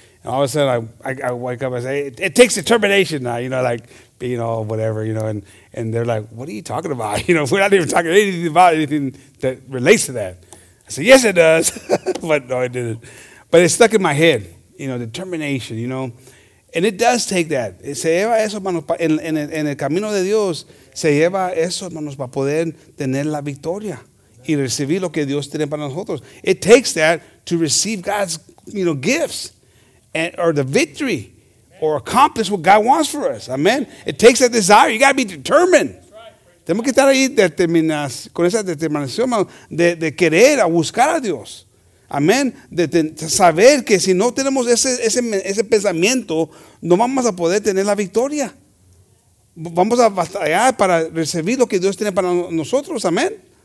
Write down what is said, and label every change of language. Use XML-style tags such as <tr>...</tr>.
<en>And all of a sudden, I wake up, I say, it takes determination now, you know, like being all whatever, you know. And they're like, what are you talking about? You know, we're not even talking anything about anything that relates to that. I said, yes, it does. But no, it didn't. But it stuck in my head, you know, determination, you know. And it does take that.</en> <es>Se lleva eso, hermanos, en el camino de Dios, se lleva eso, hermanos, para poder tener la victoria. Y recibir lo que Dios tiene para nosotros.</es> <en>It takes that to receive God's, you know, gifts or the victory or accomplish what God wants for us. Amen. It takes that desire. You got to be determined.</en> <es>Tenemos que estar ahí con esa determinación de querer a buscar a Dios. Amen. De saber que si no tenemos ese pensamiento, no vamos a poder tener la victoria. Vamos a batallar para recibir lo que Dios tiene para nosotros. Amen.</es>